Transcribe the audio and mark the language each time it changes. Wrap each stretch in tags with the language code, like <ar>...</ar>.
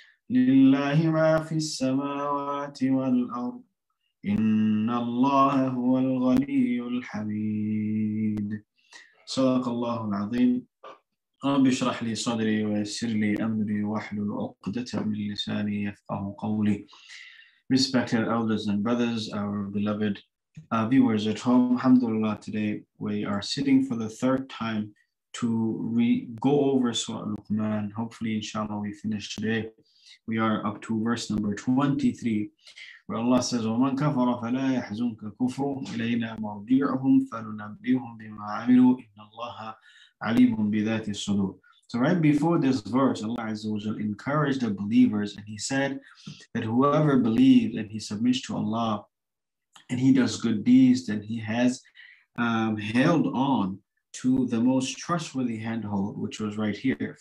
<ar>لله ما في السماوات والأرض، إن الله هو الغني الحميد. صدق الله العظيم. رب اشرح لي صدري ويسر لي أمري واحلل عقدة من لساني يفقه قولي.</ar> <en>Respected elders and brothers, our beloved viewers at home, alhamdulillah, today we are sitting for the third time to go over Surah Luqman. Hopefully, inshallah, we finish today. We are up to verse number 23. Where Allah says,</en> <ar>وَمَنْ كَفَرَ فَلَا يَحْزُنْكَ كُفْرُهُ إِلَيْنَا مَرْجِعُهُمْ فَنُنَبِّئُهُمْ بِمَا عَمِلُوا إِنَّ اللَّهَ عَلِيمٌ بِذَاتِ الصُّدُورِ.</ar> <en>So right before this verse, Allah Azza wa Jal encouraged the believers, and he said that whoever believes and he submits to Allah and he does good deeds, then he has held on to the most trustworthy handhold, which was right here.</en>